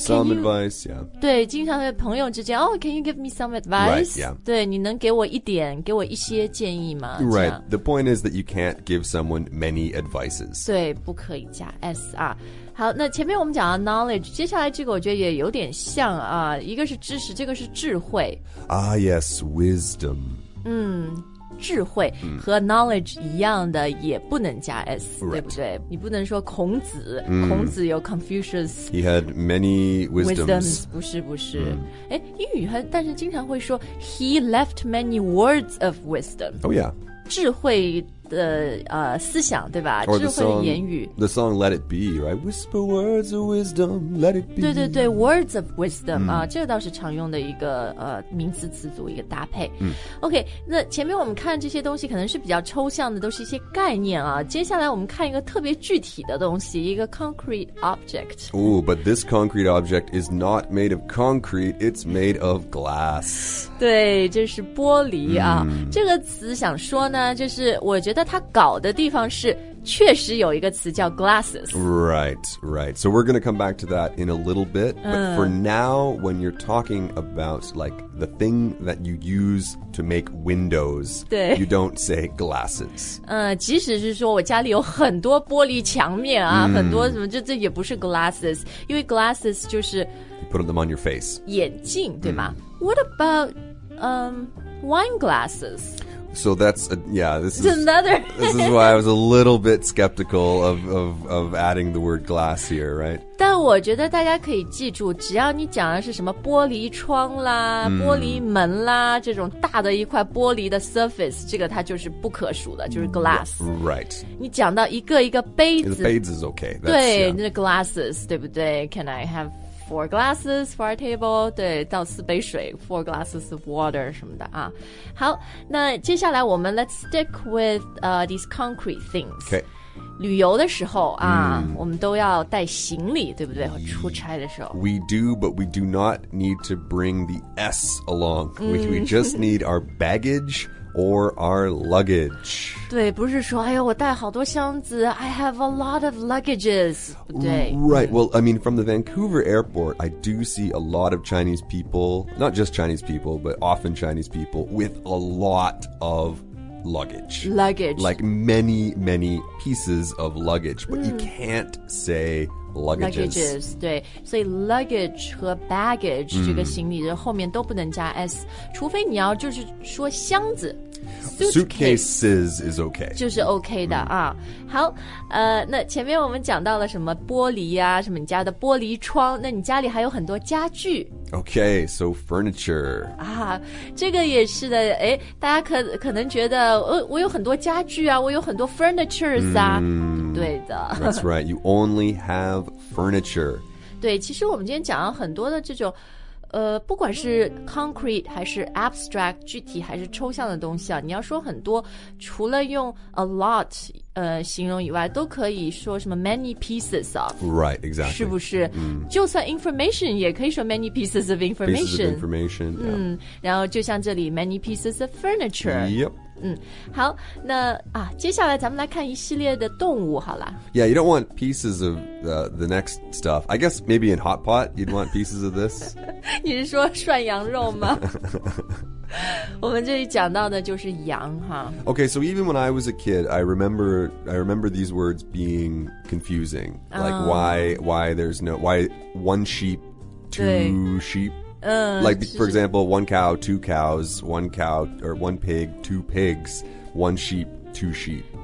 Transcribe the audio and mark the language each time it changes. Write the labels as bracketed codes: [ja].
[en] Some advice, yeah. [zh] 对经常和朋友之间 [en] Oh, can you give me some advice? Right, yeah. [zh] 对你能给我一点给我一些建议吗 [en] Right. The point is that you can't give someone many advices. [zh] 对不可以加 S 啊。好那前面我们讲了 knowledge 接下来这个我觉得也有点像啊一个是知识这个是智慧 [en] Ah yes, wisdom [zh] 嗯智慧和 knowledge 一样的也不能加 s、 [en] right. [zh] 对不对你不能说孔子、mm. 孔子有 Confucius [en] He had many wisdoms [zh] 不是不是、mm. 英语还但是经常会说 [en] He left many words of wisdom Oh yeah [zh] 智慧的思想对吧？ [en] Or、 [zh] 智慧的言语。 [en] The song "Let It Be" right? Whisper words of wisdom, let it be. [zh] 对对对 ，words of wisdom 啊、mm. 这个倒是常用的一个名词词组一个搭配。 Mm. OK， 那前面我们看这些东西可能是比较抽象的，都是一些概念啊。接下来我们看一个特别具体的东西，一个 concrete object. [en] Oh, but this concrete object is not made of concrete. It's made of glass. [zh] 对，这是玻璃啊。Mm. 这个词想说呢，就是我觉得。但他搞的地方是确实有一个词叫 glasses. [en] Right, right. So we're going to come back to that in a little bit. But for now, when you're talking about like the thing that you use to make windows, you don't say glasses. [zh] 即使是说我家里有很多玻璃墙面啊、mm. 很多什么这也不是 glasses. 因为 glasses 就是 [en] You put them on your face. [zh] 眼镜对吗、mm. [en] What about wine glasses? So that's, this is, another this is why I was a little bit skeptical of adding the word glass here, right? [zh] 但我觉得大家可以记住只要你讲的是什么玻璃窗啦、mm. 玻璃门啦这种大的一块玻璃的 surface, 这个它就是不可数的就是 glass. [en] Right. [zh] 你讲到一个一个杯子 [en] The beads is okay. That's, [zh] 对、 [en] yeah. [zh] 那是 glasses, 对不对 [en] Can I have four glasses for our table [zh] 对倒四杯水 [en] four glasses of water [zh] 什么的啊好那接下来我们 [en] let's stick with these concrete things、 okay. [zh] 旅游的时候啊、mm. 我们都要带行李对不对出差的时候 [en] we do but we do not need to bring the s along、mm. we just need our baggageOr our luggage. [zh] 对不是说哎呦我带好多箱子 [en] I have a lot of luggages. [zh] 对 [en] Right, well, I mean, from the Vancouver airport, I do see a lot of Chinese people, not just Chinese people, but often Chinese people with a lot of luggage. Luggage. Like many, many pieces of luggage. But、mm. you can't say... Luggages, [zh] 对，所以 luggage 和 baggage、mm. 这个行李的后面都不能加 s， 除非你要就是说箱子， [en] Suitcases is okay. [zh] 就是 OK 的、mm. 啊。好，那前面我们讲到了什么玻璃啊，什么你家的玻璃窗，那你家里还有很多家具。 [en] Okay, so furniture. [zh] 啊，这个也是的。哎，大家可能觉得，我有很多家具啊，我有很多 furnitures 啊。对的。 [en] That's right. You only have furniture. [zh] 对，其实我们今天讲了很多的这种。不管是 concrete 还是 abstract 具体还是抽象的东西啊，你要说很多，除了用 a lot 形容以外，都可以说什么 [en] many pieces of. Right, exactly. [zh] 是不是？Mm. 就算 information 也可以说 [en] many pieces of information. Pieces of information.、Yeah. [zh] 嗯，然后就像这里 [en] many pieces of furniture. Yep. [zh] 嗯，好，那啊，接下来咱们来看一系列的动物，好啦。 [en] Yeah, you don't want pieces of the next stuff. I guess maybe in hot pot, you'd want pieces of this. [zh] 你是说涮羊肉吗？我们这里讲到的就是羊哈。 [en] Okay, so even when I was a kid, I remember these words being confusing. Like why one sheep, two sheep. Like, for example, one cow, two cows, one cow, or one pig, two pigs, one sheep, two sheep.